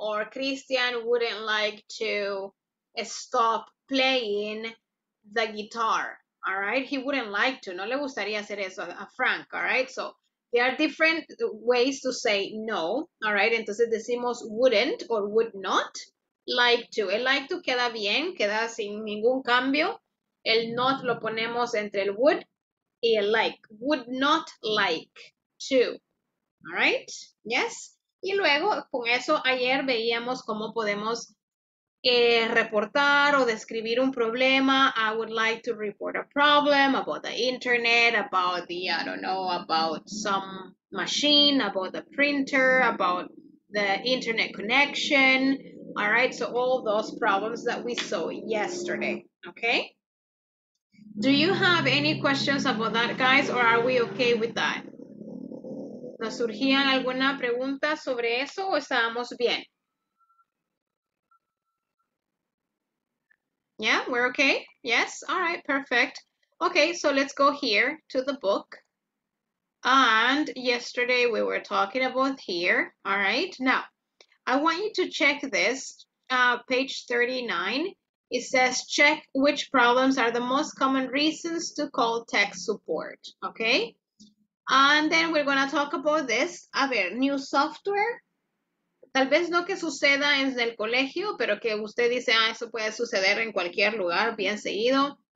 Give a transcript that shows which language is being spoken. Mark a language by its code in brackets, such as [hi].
[en] Or Christian wouldn't like to stop playing the guitar. All right? He wouldn't like to. [es] No le gustaría hacer eso a Frank. [en] All right? So, there are different ways to say no, all right? [es] Entonces decimos wouldn't or would not like to. El like to queda bien, queda sin ningún cambio. El not lo ponemos entre el would y el like. [en] Would not like to, all right? Yes? [es] Y luego con eso ayer veíamos cómo podemos reportar o describir un problema. [en] I would like to report a problem about the internet, about the, I don't know, about some machine, about the printer, about the internet connection. All right, so all those problems that we saw yesterday, okay? Do you have any questions about that, guys, or are we okay with that? [es] ¿Nos surgían alguna pregunta sobre eso o estábamos bien? [en] Yeah, we're okay. Yes. All right. Perfect. Okay. So let's go here to the book. And yesterday we were talking about here. All right. Now, I want you to check this. Page 39. It says check which problems are the most common reasons to call tech support. Okay. And then we're going to talk about this. [es] A ver, [en] new software. [es] Tal vez no que suceda en el colegio, pero que usted dice, ah, eso puede suceder en cualquier lugar, bien seguido.